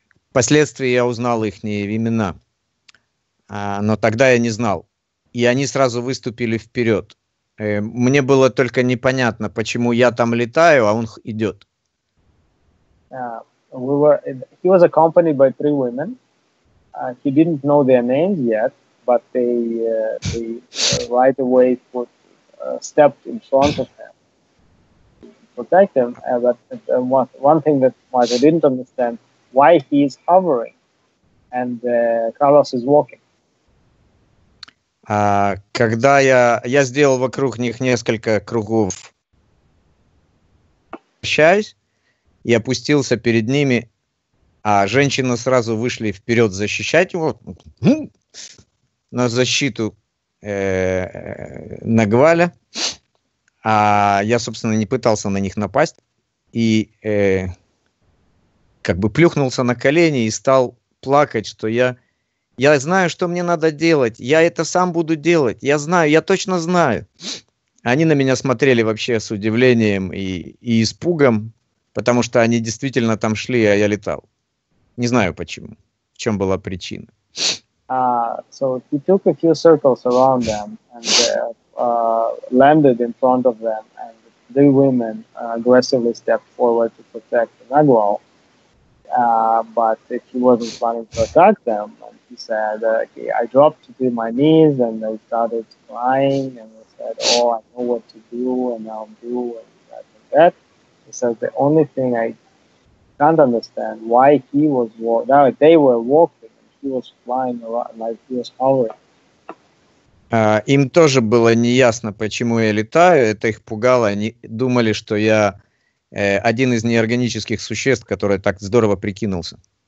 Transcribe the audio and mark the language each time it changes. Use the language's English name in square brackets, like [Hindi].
[Russian] Впоследствии я узнал их имена. Но тогда я не знал. И они сразу выступили вперед. Мне было только непонятно, почему я там летаю, а он идет. [English] He was accompanied by three women. He didn't know their names yet, but they right away stepped in front of him to protect him. But one thing that Martha didn't understand, why he is hovering and Carlos is walking. [Russian] Когда я сделал вокруг них несколько кругов, вращаясь, и опустился перед ними, а женщины сразу вышли вперед защищать его, на защиту Нагваля, а я, собственно, не пытался на них напасть, и как бы плюхнулся на колени и стал плакать, что я знаю, что мне надо делать. Я это сам буду делать. Я знаю, я точно знаю. Они на меня смотрели вообще с удивлением и испугом, потому что они действительно там шли, а я летал. Не знаю почему. В чем была причина. [English] So he took a few circles around them and landed in front of them, and the women aggressively stepped forward to protect Nagual. but if he wasn't planning to attack them, and he said, okay, I dropped to my knees and I started crying and I said, oh, I know what to do and I'll do and that and that. He said, the only thing I can't understand why he was walking, they were walking and he was flying a lot, like he was hovering. [Russian] Им тоже было неясно, почему я летаю. Это их пугало. Они думали, что я один из неорганических существ, который так здорово прикинулся.